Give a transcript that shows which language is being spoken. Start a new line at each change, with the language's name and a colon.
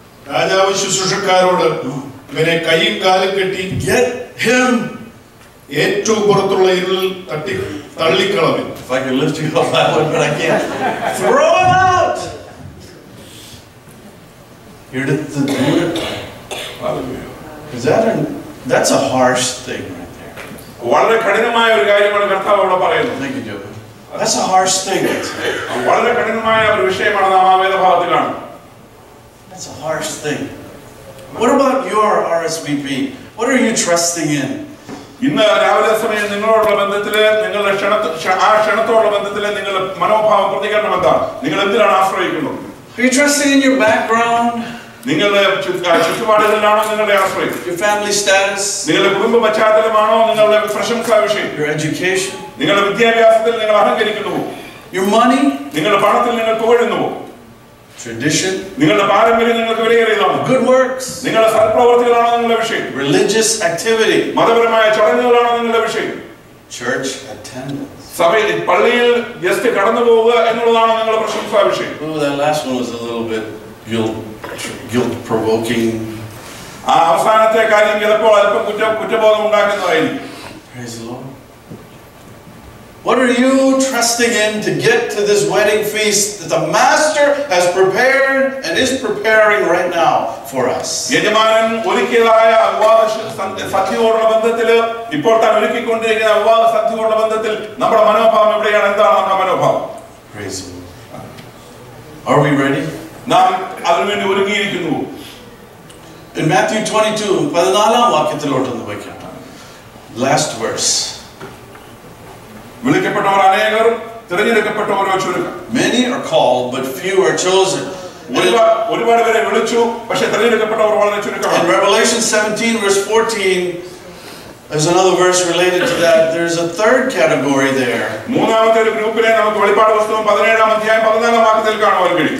Malayalam: രാജാവ് ശുശ്രൂഷക്കാരോട് ഇവനെ കൈയും കാലും കെട്ടി
English: get him
Malayalam: ഏറ്റവും പുറത്തുള്ള ഇരുളിൽ തട്ടി തള്ളിക്കളവ്.
English: If I can lift you up, I would, but I can't. Throw him out.
Malayalam: എടുത്ത്
English: that's a harsh thing right there.
Malayalam: വളരെ കഠിനമായ ഒരു കാര്യമാണ് കർത്താവ് അവിടെ പറയുന്നത്.
English: That's a harsh thing.
Malayalam: വളരെ കഠിനമായ ഒരു വിഷയമാണ് നാം ആ വേദഭാഗത്തിൽ കാണുന്നത്.
English: That's a harsh thing. What about your RSVP? What are you trusting in?
Malayalam: ഇന്ന് രാവിലെ സമയം നിങ്ങളോടുള്ള ബന്ധത്തിൽ നിങ്ങളുടെ ക്ഷണത്തോടുള്ള ബന്ധത്തിൽ നിങ്ങളുടെ മനോഭാവം പ്രതികരണം എന്താണ്? നിങ്ങൾ എന്തിനാണ് ആശ്രയിക്കുന്നത്?
English: Are you trusting in your background?
Malayalam: നിങ്ങളുടെ ചുറ്റുപാടിലാണോ നിങ്ങളുടെ ആശ്രയം?
English: Your education?
Malayalam: നിങ്ങളുടെ വിദ്യാഭ്യാസത്തിൽ നിങ്ങൾ അഹങ്കരിക്കുന്നുവോ?
English: Your money?
Malayalam: നിങ്ങളുടെ പണത്തിൽ നിങ്ങൾ തുഴുന്നുവോ?
English: Tradition?
Malayalam: നിങ്ങളുടെ പാരമ്പര്യം നിങ്ങൾക്ക് വിലയേറിയതാണോ?
English: Good works?
Malayalam: നിങ്ങളുടെ സൽപ്രവർത്തികളാണോ നിങ്ങളുടെ വിഷയം?
English: Religious activity?
Malayalam: മതപരമായ ചടങ്ങുകളാണോ നിങ്ങളുടെ വിഷയം?
English: Church attendance?
Malayalam: സഭയിൽ പള്ളിയിൽ ഗസ്റ്റ് കടന്നു പോവുക എന്നുള്ളതാണോ നിങ്ങളുടെ പ്രശംസാ വിഷയം?
English: Oh, that last one was a little bit guilt provoking.
Malayalam: ആ അവസാനത്തെ കാര്യം ചിലപ്പോൾ അല്പം കുറ്റബോധം ഉണ്ടാക്കുന്നതായി.
English: Praise the Lord. What are you trusting in to get to this wedding feast that the master has prepared and is preparing right now for us?
Malayalam: യജമാനൻ ഒരുക്കിയതായ സദ്യയോടുള്ള ബന്ധത്തിൽ ഇപ്പോൾ താൻ ഒരുക്കിക്കൊണ്ടിരിക്കുന്ന അവവാദ സദ്യയോടുള്ള ബന്ധത്തിൽ നമ്മുടെ മനോഭാവം എവിടെയാണ്? എന്താണ് നമ്മുടെ മനോഭാവം?
English: Praise the Lord. Are we ready?
Malayalam: നാം അതിനുവേണ്ടി ഒരുങ്ങിയിരിക്കുന്നു.
English: In Matthew 22,
Malayalam: 14-ാം വാക്യത്തിലോട്ട് ഒന്ന് വയ്ക്കട്ടെ.
English: Last verse.
Malayalam: വിളിക്കപ്പെട്ടവർ അനേകർ, തിരഞ്ഞെടുക്കപ്പെട്ടവരോ ചുരുക്കം.
English: Many are called, but few are chosen.
Malayalam: ഒരുപാട് പേരെ വിളിച്ചു, പക്ഷേ തിരഞ്ഞെടുക്കപ്പെട്ടവർ വളരെ ചുരുക്കം.
English: Revelation 17, verse 14. There's another verse related to that. There's a third category there.
Malayalam: മൂന്നാമത്തെ ഒരു ഗ്രൂപ്പിലെ നമുക്ക് വെളിപാട് പുസ്തകം 17-ാം അധ്യായം 14-ാം വാക്യത്തിൽ കാണുവാൻ കഴിയും.